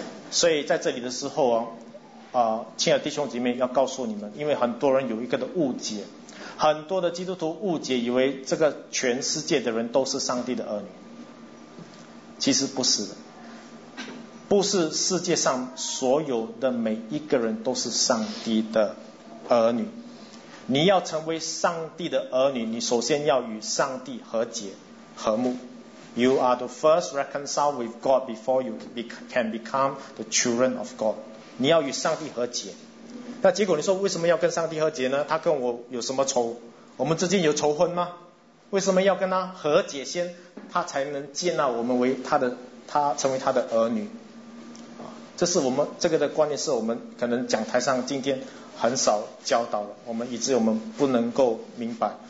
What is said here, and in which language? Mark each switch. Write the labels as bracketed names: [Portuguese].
[Chinese] 所以在这里的时候啊，亲爱的弟兄姐妹，要告诉你们，因为很多人有一个的误解，很多的基督徒误解，以为这个全世界的人都是上帝的儿女，其实不是的，不是世界上所有的每一个人都是上帝的儿女。你要成为上帝的儿女，你首先要与上帝和解和睦。 [English] You are the first reconciled with God before you can become the children of God. [Chinese] 你要与上帝和解。那结果你说为什么要跟上帝和解呢？他跟我有什么仇？我们之间有仇恨吗？为什么要跟他和解先，他才能接纳我们为他的，他成为他的儿女？这是我们这个的观念，是我们可能讲台上今天很少教导的，我们以致我们不能够明白。